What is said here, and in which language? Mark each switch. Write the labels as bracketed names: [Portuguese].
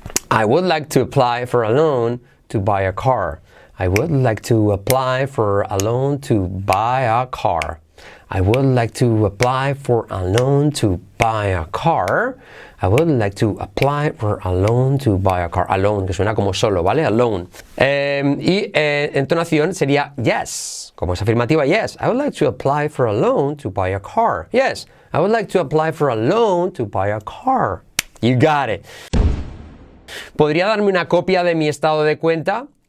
[English] I would like to apply for a loan to buy a car. I would like to apply for a loan to buy a car. I would like to apply for a loan to buy a car. I would like to apply for a loan to buy a car. A loan, [Spanish] que suena como solo, ¿vale? [English] A loan. [Spanish] Entonación sería yes, como es afirmativa, yes. [English] I would like to apply for a loan to buy a car. Yes, I would like to apply for a loan to buy a car. You got it. [Spanish] ¿Podría darme una copia de mi estado de cuenta?